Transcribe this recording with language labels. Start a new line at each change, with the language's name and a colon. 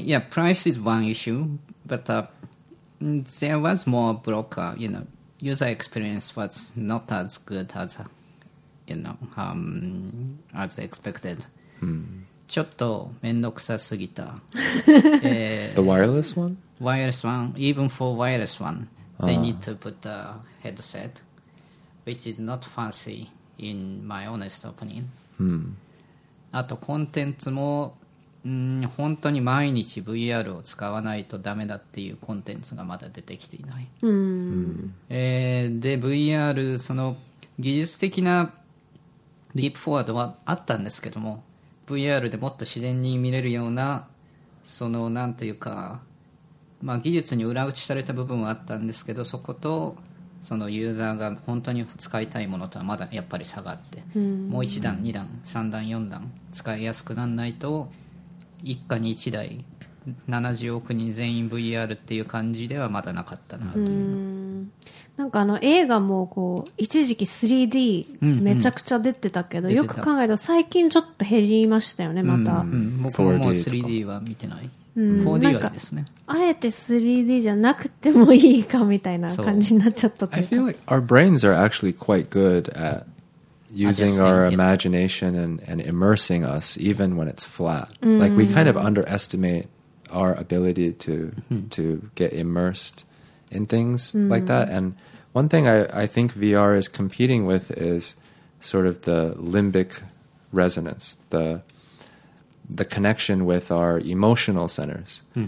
English: Price is one issue, but there was more broker, you know, user experience was not as good as, you know, as expected.
Japanese: ちょっと面倒くさすぎた。
English: The wireless one? Wireless one, even for wireless one, they need to put a headset, which is not fancy, in my honest opinion. Hmm.
Japanese: あとコンテンツも本当に毎日 VR を使わないとダメだっていうコンテンツがまだ出てきていない。うん、で VR その技術的なリープフォワードはあったんですけども、 VR でもっと自然に見れるようなそのなんというか、まあ、技術に裏打ちされた部分はあったんですけど、そことそのユーザーが本当に使いたいものとはまだやっぱり差があって、うん、もう1段2段3段4段使いやすくならないと一家に一台70億人全員 VR っていう感じではまだなかったなという。なんかあの映画もこう一時期 3D めちゃくちゃ出てたけど、うんうん、よく考えると最近ちょっと減りましたよね。また、うんうん、僕ももう 3D は見てない。 4D はいいですね。あえて 3D じゃなくてもいいかみたいな感じになっちゃったというか。
English: I feel like our brains are actually quite good atusing our imagination and immersing us even when it's flat. Like we kind of underestimate our ability to get immersed in things like that. And one thing I think VR is competing with is sort of the limbic resonance, the connection with our emotional centers.